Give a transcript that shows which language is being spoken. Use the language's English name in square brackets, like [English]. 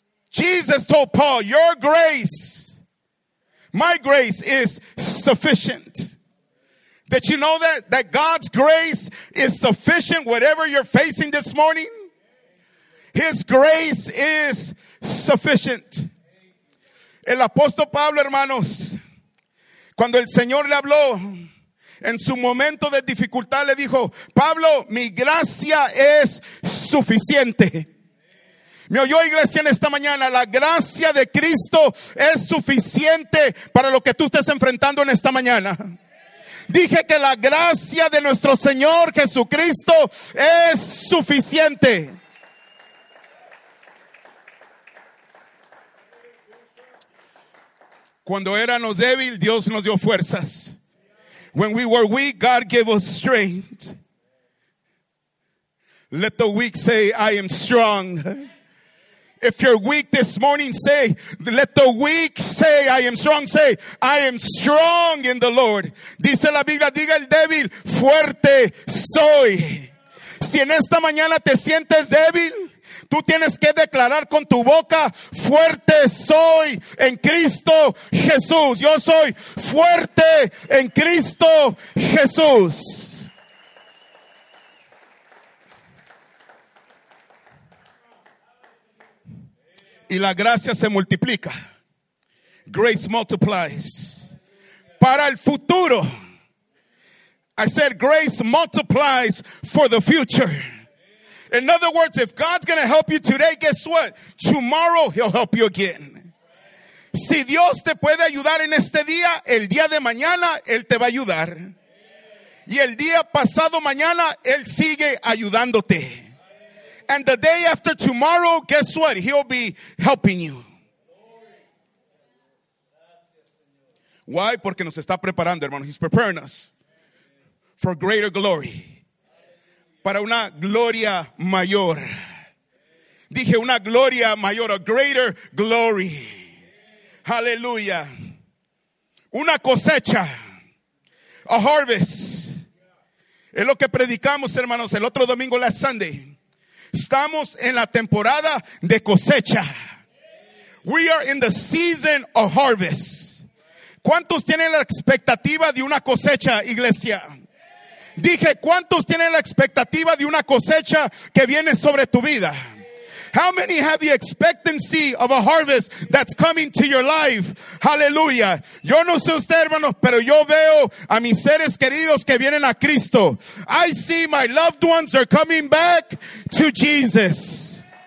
[English] Jesus told Paul, your grace, my grace is sufficient. Did you know that? That God's grace is sufficient, whatever you're facing this morning. His grace is sufficient. [Spanish] El apóstol Pablo, hermanos, cuando el Señor le habló, en su momento de dificultad le dijo, Pablo, mi gracia es suficiente. Me oyó, iglesia, en esta mañana, la gracia de Cristo es suficiente para lo que tú estés enfrentando en esta mañana. Dije que la gracia de nuestro Señor Jesucristo es suficiente. Cuando éramos débiles, Dios nos dio fuerzas. [English] When we were weak, God gave us strength. Let the weak say, I am strong. If you're weak this morning, say, let the weak say, I am strong. Say, I am strong in the Lord. [Spanish] Dice la Biblia, diga el débil, fuerte soy. Si en esta mañana te sientes débil, tú tienes que declarar con tu boca, fuerte soy en Cristo Jesús. Yo soy fuerte en Cristo Jesús. Y la gracia se multiplica. [English] Grace multiplies. [Spanish] Para el futuro. [English] I said grace multiplies for the future. In other words, if God's going to help you today, guess what? Tomorrow he'll help you again. [Spanish] Si Dios te puede ayudar en este día, el día de mañana, Él te va a ayudar. Y el día pasado mañana, Él sigue ayudándote. [English] And the day after tomorrow, guess what? He'll be helping you. Why? [Spanish] Porque nos está preparando, hermano. [English] He's preparing us for greater glory. [Spanish] Para una gloria mayor. Dije una gloria mayor, [English] a greater glory. [Spanish] Hallelujah. Una cosecha. [English] A harvest. [Spanish] Es lo que predicamos, hermanos, el otro domingo, [English] last Sunday. [Spanish] Estamos en la temporada de cosecha. [English] We are in the season of harvest. [Spanish] ¿Cuántos tienen la expectativa de una cosecha, iglesia? Dije, ¿cuántos tienen la expectativa de una cosecha que viene sobre tu vida? [English] How many have the expectancy of a harvest that's coming to your life? Hallelujah. [Spanish] Yo no sé usted, hermano, pero yo veo a mis seres queridos que vienen a Cristo. [English] I see my loved ones are coming back to Jesus.